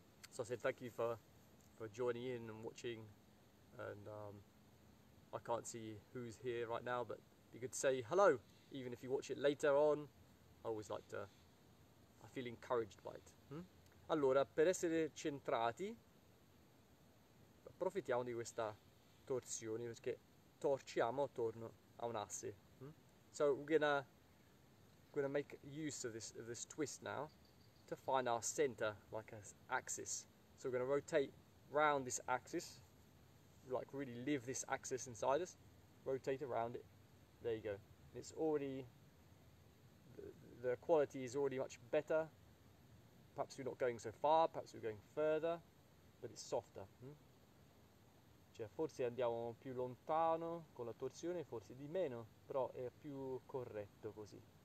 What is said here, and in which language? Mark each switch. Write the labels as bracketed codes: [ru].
[en] So I said thank you for joining in and watching, and I can't see who's here right now, but you could say hello, even if you watch it later on. I always like to, I feel encouraged by it. [it] Allora, per essere centrati, approfittiamo di questa torsione, perché torciamo attorno a un asse. [en] So we're gonna make use of this twist now. To find our center, like an axis. So we're going to rotate round this axis, like really live this axis inside us, rotate around it. There you go. It's already, the quality is already much better. Perhaps we're not going so far, perhaps we're going further, but it's softer. [it] Cioè, forse andiamo più lontano con la torsione, forse di meno, però è più corretto così.